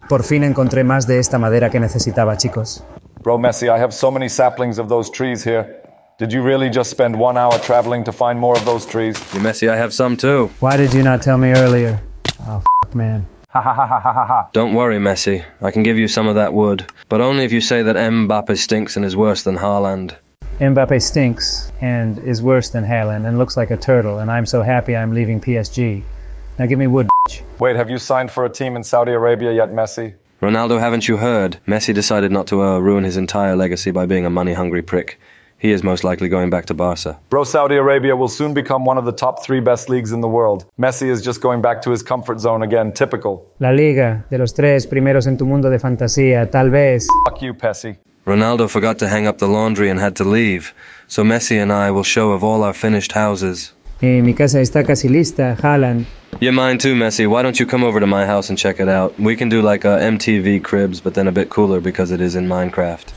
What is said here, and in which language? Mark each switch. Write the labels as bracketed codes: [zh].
[es] Por fin encontré más de esta madera que necesitaba, chicos. [en] Bro, Messi, I have so many saplings of those trees here. Did you really just spend 1 hour traveling to find more of those trees? Yeah, Messi, I have some too. Why did you not tell me earlier? Oh, fuck, man. Don't worry, Messi. I can give you some of that wood. But only if you say that Mbappe stinks and is worse than Haaland. Mbappe stinks and is worse than Haaland and looks like a turtle, and I'm so happy I'm leaving PSG. Now give me wood, bitch. Wait, have you signed for a team in Saudi Arabia yet, Messi? Ronaldo, haven't you heard? Messi decided not to ruin his entire legacy by being a money-hungry prick. He is most likely going back to Barca. Bro, Saudi Arabia will soon become one of the top three best leagues in the world. Messi is just going back to his comfort zone again, typical. [es] La Liga de los tres primeros en tu mundo de fantasía, tal vez. [en] Fuck you, Pessy. Ronaldo forgot to hang up the laundry and had to leave. So Messi and I will show off all our finished houses. [es] Hey, mi casa está casi lista, Haaland. [en] Yeah, mine too, Messi. Why don't you come over to my house and check it out? We can do like a MTV Cribs, but then a bit cooler because it is in Minecraft.